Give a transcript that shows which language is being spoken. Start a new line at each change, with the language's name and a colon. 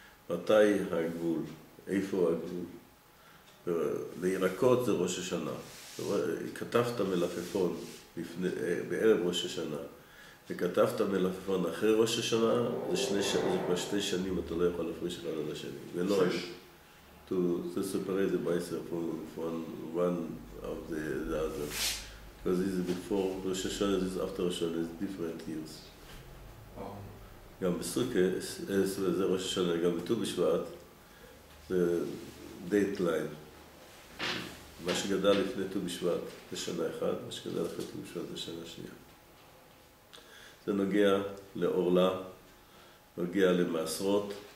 Hebrew: מתי הגבול? איפה הגבול? לירקות זה ראש השנה. כתבת מלפפון בערב ראש השנה. וכתבת מלפפון אחרי ראש השנה, זה כבר שתי שנים אתה לא יכול להפריש אחד על השני. ולא רק.
English: To separate the bicep from one of the other. Because this is before Rosh Hashanah, this is after Rosh Hashanah, it's different years.
Hebrew: גם בסוכה, זה ראש השנה, גם בט"ו בשבט, זה dateline. מה שגדל לפני ט"ו בשבט זה שנה אחת, מה שגדל אחרי ט"ו בשבט זה שנה שנייה. זה נוגע לעורלה, נוגע למעשרות.